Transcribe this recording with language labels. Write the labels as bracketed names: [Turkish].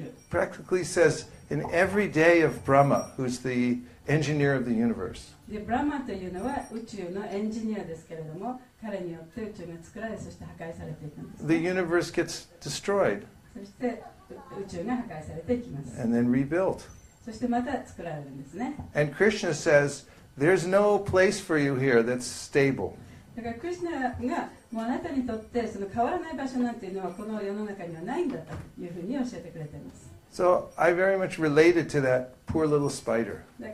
[English] Practically says, in every day of Brahma, who's the engineer of the universe. [Japanese] で、ブラマというのは宇宙のエンジニアですけれども、彼によって宇宙が作られ、そして破壊されていくんです、ね。 [English] The universe gets destroyed. [Japanese] そして宇宙が破壊されていきます。 [English] And then rebuilt. [Japanese] そしてまた作られるんですね。 [English] And Krishna says, there's no place for you here that's stable. [Japanese] だからクリシュナが、もうあなたにとってその変わらない場所なんていうのはこの世の中にはないんだというふうに教えてくれています。 [English] So I very much related to that poor little spider.